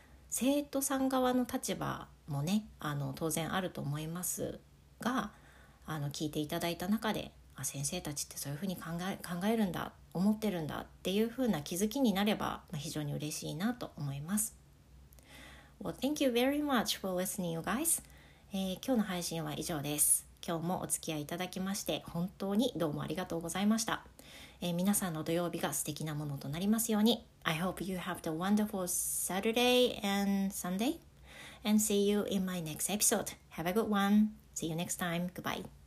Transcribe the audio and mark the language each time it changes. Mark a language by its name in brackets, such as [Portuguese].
[Japanese] 生徒さん側の立場もね、当然あると思いますが、聞いていただいた中で、あ、先生たちってそういうふうに考えるんだ、思ってるんだっていうふうな気づきになれば、非常に嬉しいなと思います。 [English] Well, thank you very much for listening, you guys. [Japanese] 今日の配信は以上です。今日もお付き合いいただきまして、本当にどうもありがとうございました。皆さんの土曜日が素敵なものとなりますように。 [English] I hope you have the wonderful Saturday and Sunday. And see you in my next episode. Have a good one. See you next time. Goodbye.